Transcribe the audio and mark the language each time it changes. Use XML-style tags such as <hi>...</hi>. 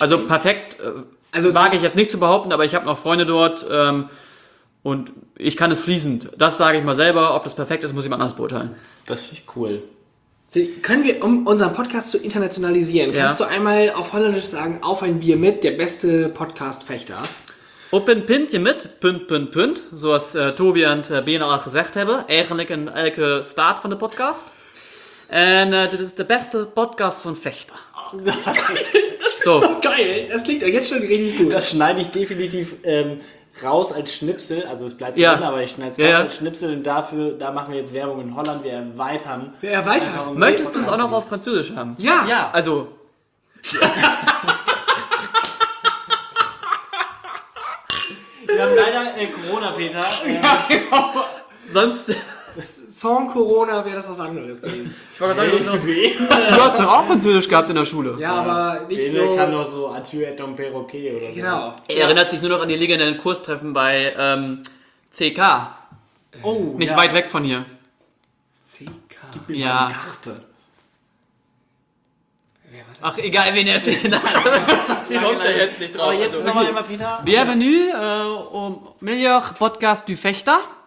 <de>Also perfekt also wage ich jetzt nicht zu behaupten, aber ich habe noch Freunde dort und ich kann es fließend. Das sage ich mal selber. Ob das perfekt ist, muss jemand anders beurteilen. Das finde ich cool. Können wir, um unseren Podcast zu internationalisieren, kannst du einmal auf Holländisch sagen, auf ein Bier mit, der beste Podcast-Fechters?</de> <nl>Op een pintje met, punt, punt, punt. Zoals Tobi en Bene al gezegd hebben. Eigenlijk in elke start van de podcast. En dit is de beste podcast van Vechter. Dat is zo geil. Dat klinkt</nl> <de>jetzt schon richtig gut.</de> <nl>Dat</nl> <de>schneide</de> <nl>ik definitief</nl> <de>raus als Schnipsel. Also es bleibt drin, aber ich schneide es raus als Schnipsel. Und dafür, da machen wir jetzt Werbung in Holland. Wir erweitern. Möchtest du es auch noch auf Französisch haben? Ja. Also... Wir haben leider Corona, Peter. Ja. Sonst. Song Corona wäre das was anderes gewesen. Ich wollte sagen, du hast doch auch Französisch gehabt in der Schule. Ja, aber nicht Bene so. Bene kann doch so</de> <fr>Adieu et ton perroquet</fr> <de>oder genau. So. Genau. Er erinnert sich nur noch an die legendären Kurstreffen bei CK. Oh. Nicht weit weg von hier. CK? Gib mir mal eine Karte. Ach, egal, wen er sich nach. Ich komme da jetzt nicht drauf. Aber jetzt also, nochmal immer, Peter.</de> <fr>Bienvenue au meilleur podcast du Fechter.</fr>